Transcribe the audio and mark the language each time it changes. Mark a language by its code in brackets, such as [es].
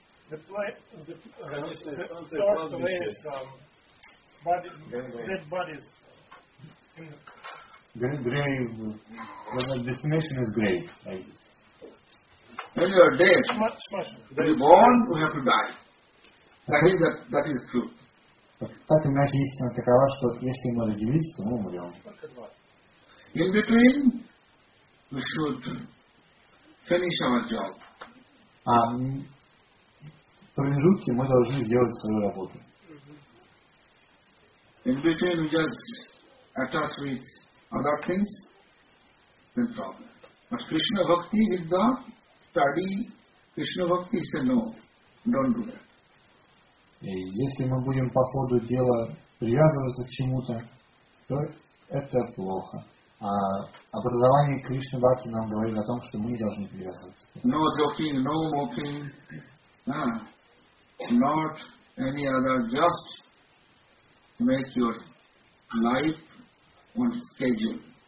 [en] The flight, the start of the is dead bodies. Grave. The destination is grave. When you are dead, when you are born, you have to die. That is true. [ru] Так иначе истина такова, что если мы родились, то мы умрем. [en] In between, we should finish our job. [ru] А в промежутке мы должны сделать свою работу. [en] In between we just attach with other things, then problem. But Krishna Bhakti with the study, Krishna Bhakti said no, don't do that. [ru] И если мы будем по ходу дела привязываться к чему-то, то это плохо. А образование Кришны Бхакти нам говорит о том, что мы не должны привязываться. [en] No joking, no mocking, not any other, just make your life on schedule.